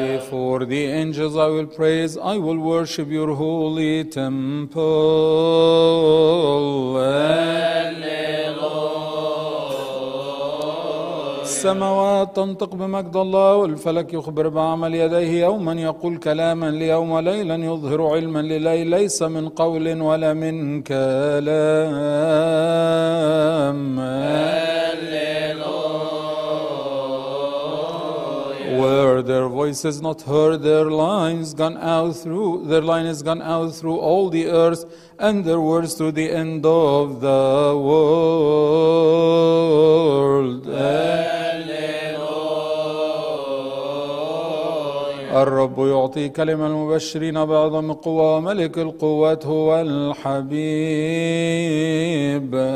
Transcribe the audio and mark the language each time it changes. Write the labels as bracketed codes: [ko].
[en] For the angels I will praise, I will worship your holy temple. [ar] السماوات تنطق بمجد الله والفلك يخبر بعمل يديه، يوما يقول كلاما ليوم وليلا يظهر علما لليل، ليس من قول ولا من كلام. [en] Where their voice is not heard, their line is gone out through all the earth, and their words to the end of the world. [ar] الرب يعطي كلمة المبشرين بعظم قوة، ملك القوات هو الحبيب.